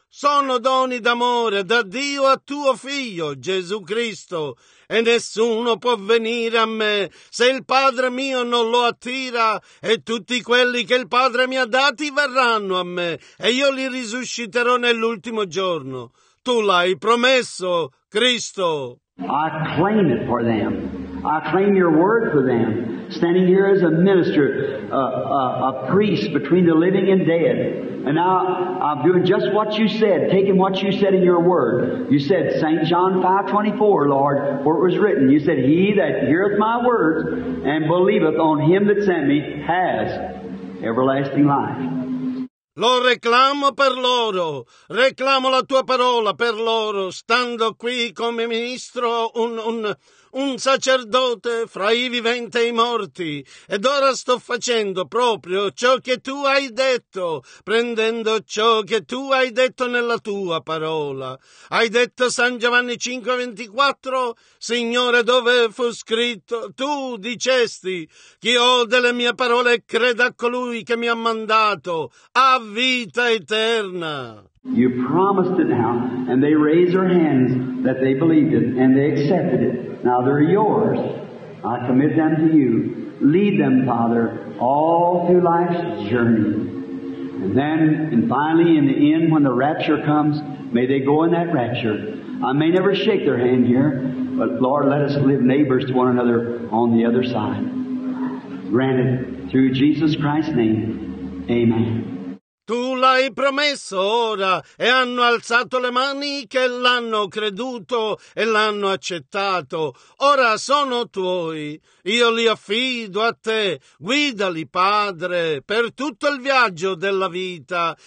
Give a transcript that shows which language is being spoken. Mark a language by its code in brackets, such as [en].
[it] Sono doni d'amore da Dio a tuo figlio, Gesù Cristo, e nessuno può venire a me se il Padre mio non lo attira, e tutti quelli che il Padre mi ha dati verranno a me, e io li risusciterò nell'ultimo giorno. Tu l'hai promesso, Cristo. [en] I claim it for them. I claim your word for them. Standing here as a minister, a priest between the living and dead. And now I'm doing just what you said, taking what you said in your word. You said, St. John 5:24, Lord, where it was written. You said, He that heareth my words and believeth on him that sent me has everlasting life. [it] Lo reclamo per loro, reclamo la tua parola per loro, stando qui come ministro, un sacerdote fra i viventi e i morti. Ed ora sto facendo proprio ciò che tu hai detto, prendendo ciò che tu hai detto nella tua parola. Hai detto San Giovanni 5:24, Signore, dove fu scritto? Tu dicesti, chi ode le mie parole e creda a colui che mi ha mandato, ha vita eterna. [en] You promised it now, and they raised their hands that they believed it, and they accepted it. Now they're yours. I commit them to you. Lead them, Father, all through life's journey. And then, and finally, in the end, when the rapture comes, may they go in that rapture. I may never shake their hand here, but Lord, let us live neighbors to one another on the other side. Granted, through Jesus Christ's name, amen. [it] Tu l'hai promesso ora, e hanno alzato le mani che l'hanno creduto e l'hanno accettato. Ora sono tuoi, io li affido a te, guidali, Padre, per tutto il viaggio della vita.